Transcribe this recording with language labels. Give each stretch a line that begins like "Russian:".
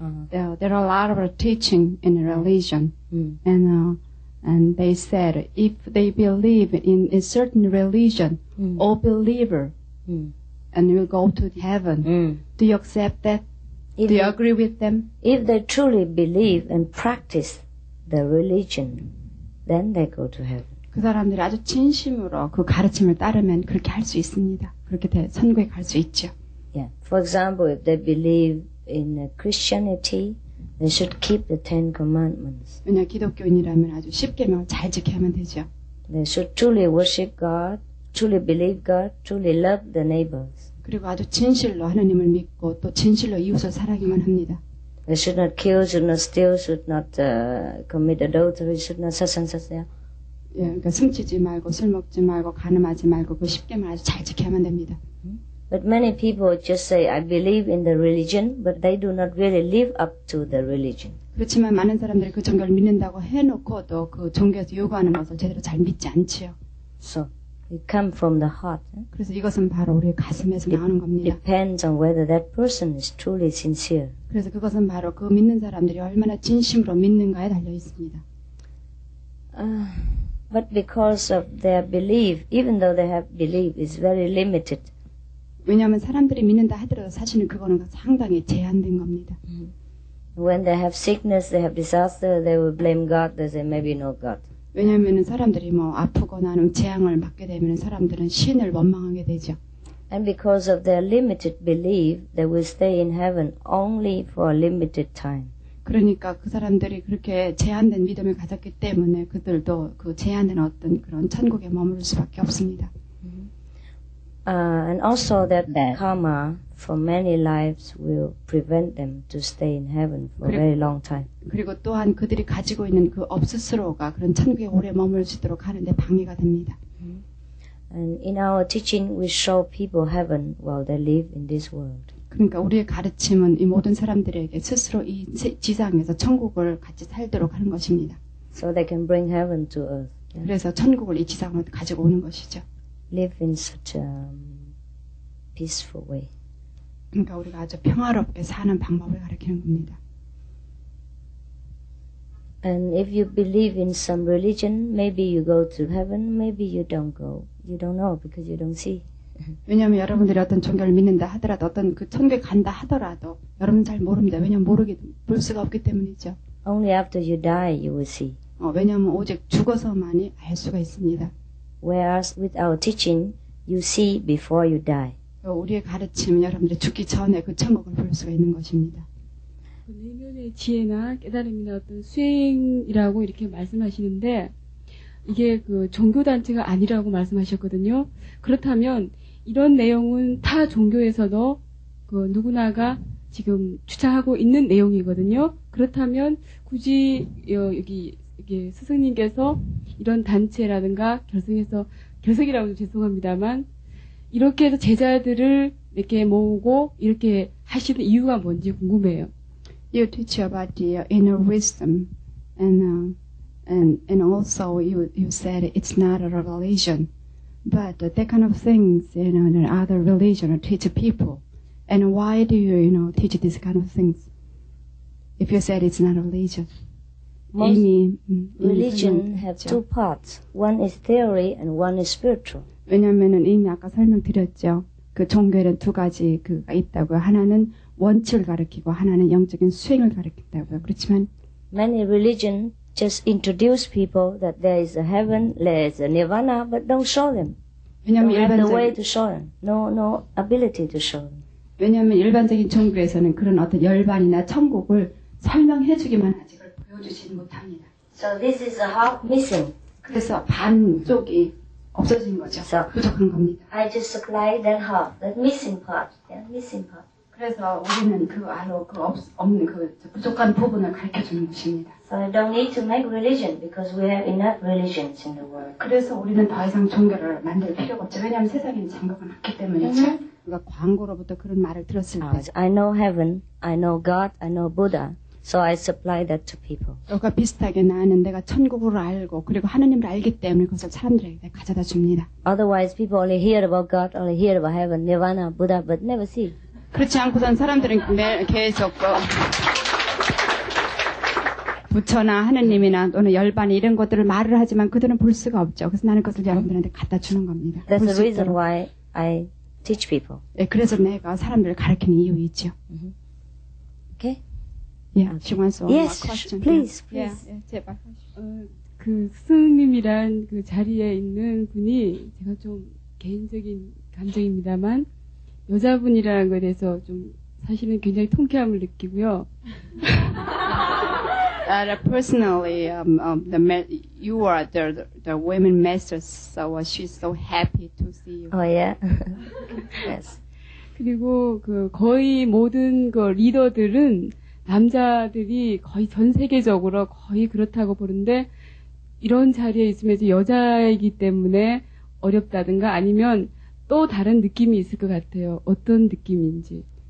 English: There are a lot of teaching in religion, and they said if they believe in a certain religion, all believer, and will go to heaven. Do you accept that? Do you agree with them? If they truly believe and practice the religion, then they go to heaven.
Korean: 그 사람들이 아주 진심으로 그 가르침을 따르면 그렇게 할 수 있습니다. 그렇게 돼 천국에 갈 수 있죠.
English: Yeah. For example, if they believe in Christianity, they should keep the Ten Commandments.
Korean: 그냥 기독교인이라면 아주 10계명을 잘 지켜야 하면 되죠.
English: They should truly worship God, truly believe God, truly love the neighbors.
Korean: 그리고 아주 진실로 하나님을 믿고 또 진실로 이웃을 사랑하기만 합니다.
English: They should not kill, should not steal, should not commit adultery, should not
Korean: 사상사세요. 예, 그러니까 숨치지 말고 술 먹지 말고 가늠하지 말고 그 10계명 아주 잘 지켜야 하면 됩니다.
English: But many people just say, I believe in the religion, but they do not really live up to the religion.
Korean: 그렇지만 많은 사람들이 그 종교를 믿는다고 해놓고도 그 종교에서 요구하는 것을 제대로 잘 믿지 않지요.
English: So it comes from the heart.
Korean: 그래서 이것은 바로 우리 가슴에서 나오는 겁니다.
English: Depends on whether that person is truly sincere.
Korean: 그래서 그것은 바로 그 믿는 사람들이 얼마나 진심으로 믿는가에 달려 있습니다.
English: But because of their belief, even though they have belief, is very limited.
Korean: 왜냐하면 사람들이 믿는다 하더라도 사실은 그거는 상당히 제한된 겁니다.
English: When they have sickness, they have disaster, they will blame God. They say maybe no God.
Korean: 왜냐하면 사람들이 뭐 아프거나 하는 재앙을 맞게 되면 사람들은 신을 원망하게 되죠.
English: And because of their limited belief, they will stay in heaven only for a limited time.
Korean: 그러니까 그 사람들이 그렇게 제한된 믿음을 가졌기 때문에 그들도 그 제한된 어떤 그런 천국에 머무를 수밖에 없습니다.
English: And also that karma for many lives will prevent them to stay in heaven for a very long time.
Korean: 그리고 또한 그들이 가지고 있는 그 업스스로가 그런 천국에 오래 머물 수 있도록 하는데 방해가 됩니다.
English: And in our teaching, we show people heaven while they live in this world.
Korean: 그러니까 우리의 가르침은 이 모든 사람들에게 스스로 이 지상에서 천국을 같이 살도록 하는 것입니다.
English: So they can bring heaven to earth.
Korean: 그래서 천국을 이 지상으로 가지고 오는 것이죠.
English: Live in such a peaceful way.
Korean: 그러니까 우리가 아주 평화롭게 사는 방법을 가르치는 겁니다.
English: And if you believe in some religion, maybe you go to heaven, maybe you don't go. You don't know because you don't see.
Korean: 왜냐하면 여러분들이 어떤 종교를 믿는다 하더라도 어떤 그 천국에 간다 하더라도 여러분 잘 모릅니다. 왜냐하면 모르게 볼 수가 없기 때문이죠.
English: Only after you die you will see.
Korean: 왜냐하면 오직 죽어서만이 알 수가 있습니다.
English: Whereas with our teaching, you see before you die.
Korean: 우리의 가르침은 여러분들이 죽기 전에 그 천국을 볼 수가 있는 것입니다. 내면의 지혜나 깨달음이나 어떤 수행이라고 이렇게 말씀하시는데 이게 그 종교단체가 아니라고 말씀하셨거든요. 그렇다면 이런 내용은 타 종교에서도 그 누구나가 지금 주장하고 있는 내용이거든요. 그렇다면 굳이 여기 이게 스승님께서 이런 단체라든가 결성해서 결성이라고 죄송합니다만 이렇게 해서 제자들을 이렇게 모으고 이렇게 하시는 이유가 뭔지 궁금해요.
English: You teach about the inner wisdom and also you said it's not a revelation, but that kind of things, you know, in other religion teach people. And why do you, you know, teach these kind of things if you said it's not a religion? Religion have two parts. One is theory and one is spiritual.
Korean: 왜냐하면 이미 아까 설명드렸죠. 그 종교에는 두 가지가 있다고요. 하나는 원칙을 가르치고 하나는 영적인 수행을 가르친다고요. 그렇지만
English: many religion just introduce people that there is a heaven, there is a nirvana, but don't show them.
Korean: 왜냐하면
English: no, the way to show them. No ability to show them.
Korean: 왜냐하면 일반적인 종교에서는 그런 어떤 열반이나 천국을 설명해주기만 하지 그걸 보여주지는 못합니다.
English: So this is a half missing.
Korean: 그래서 반쪽이 없어진 거죠.
English: So
Korean: 부족한 겁니다.
English: I just supply that half, the missing part, yeah, missing part.
Korean: 그래서 우리는 그 아로 그 없는 그 부족한 부분을 가르쳐 주는 것입니다.
English: So I don't need to make religion because we have enough religions in the world.
Korean: 그래서 우리는 더 이상 종교를 만들 필요가 없죠. 왜냐하면 세상에는 장벽은 없기 때문이죠. Mm-hmm. 우리가 광고로부터 그런 말을 들었을 때
English: I know heaven, I know God, I know Buddha. So I supply that to people.
Korean: 그가 비슷하게 나는 내가 천국을 알고 그리고 하느님을 알기 때문에 그것을 사람들에게 가져다 줍니다.
English: Otherwise people only hear about God, only hear about heaven, Nirvana, Buddha, but never see.
Korean: 그렇지 않고선 사람들은 계속 부처나 하느님이나 또는 열반 이런 것들을 말을 하지만 그들은 볼 수가 없죠. 그래서 나는 그것을 여러분들한테 갖다 주는 겁니다.
English: That's the reason why I teach people.
Korean: 네, 그래서 내가 사람들을 가르치는 이유이지요.
English: Okay? Yeah, she wants to ask yes, questions. Please.
Korean: Yeah, 제발. 그 스승님이란 그 자리에 있는 분이 제가 좀 개인적인 감정입니다만 여자분이라는 것에 대해서 좀 사실은 굉장히 통쾌함을 느끼고요.
English: personally, you are the women master, so she's so happy to see you. Oh yeah. Yes.
Korean: 그리고 그 거의 모든 그 리더들은 남자들이 거의 전 세계적으로 거의 그렇다고 보는데 이런 자리에 있으면서 여자이기 때문에 어렵다든가 아니면 또 다른 느낌이 있을 것 같아요. 어떤 느낌인지.